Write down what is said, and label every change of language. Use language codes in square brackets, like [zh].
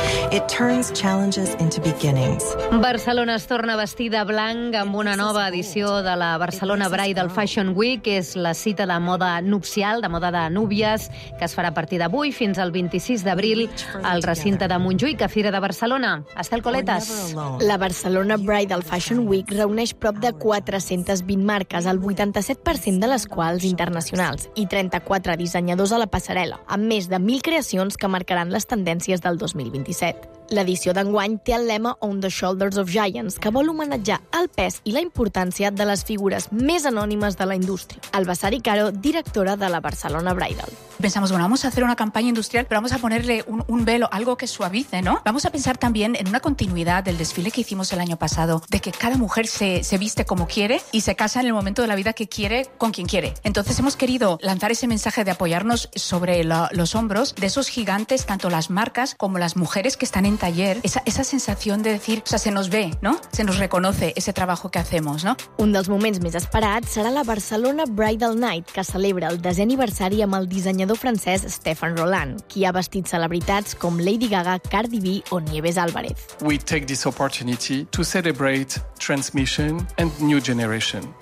[en] It turns challenges into beginnings. [ca] Barcelona es torna vestida blanc amb una nova edició de la Barcelona Bridal Fashion Week, que és la cita de moda nupcial, de moda de núvies, que es farà a partir d'avui fins al 26 d'abril al recinte de Montjuïc, a Fira de Barcelona. Estel Coletas. La Barcelona Bridal Fashion Week reuneix prop de 420 marques, el 87% de les quals internacionals, i 34 dissenyadors a la passarel·la, amb més de 1.000 creacions que marcaran les tendències del 2027. L'edició d'enguany té el lema On the Shoulders of Giants, que vol homenatjar el pes i la importància de les figures més anònimes de la indústria. Alba Saricaro, directora de la Barcelona Bridal. [es] Pensamos, bueno, vamos a hacer una campaña industrial, pero vamos a ponerle un velo, algo que suavice, ¿no? Vamos a pensar también en una continuidad del desfile que hicimos el año pasado, de que cada mujer se viste como quiere y se casa en el momento de la vida que quiere con quien quiere. Entonces hemos querido lanzar ese mensaje de apoyarnos sobre los hombros de esos gigantes, tanto las marcas como las mujeres que están en taller. Esa sensación de decir, o sea, se nos ve, ¿no? Se nos reconoce ese trabajo que hacemos, ¿no? [ca] Un dels moments més esperats serà la Barcelona Bridal Night, que celebra el desè aniversari amb el dissenyador francès Stéphane Roland, qui ha vestit celebritats com Lady Gaga, Cardi B o Nieves Álvarez. [en] We take this opportunity to celebrate transmission and new generation.